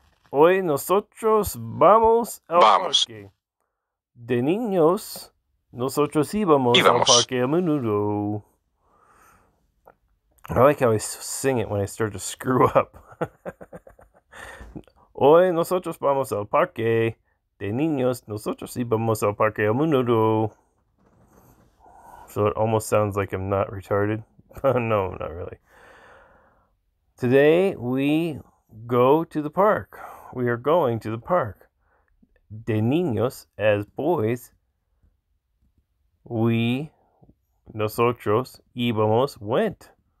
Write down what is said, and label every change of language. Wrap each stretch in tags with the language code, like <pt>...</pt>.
<es>Hoy nosotros vamos al vamos. Parque. De niños, nosotros íbamos, íbamos al parque a menudo.</es> <en>I like how I sing it when I start to screw up.</en> <es>Hoy nosotros vamos al parque. De niños, nosotros íbamos al parque a menudo.</es> <en>So it almost sounds like I'm not retarded. No, not really. Today, we go to the park. We are going to the park.</en> <es>De niños,</es> <en>as boys, we,</en> <es>nosotros, íbamos,</es> <en>went.</en>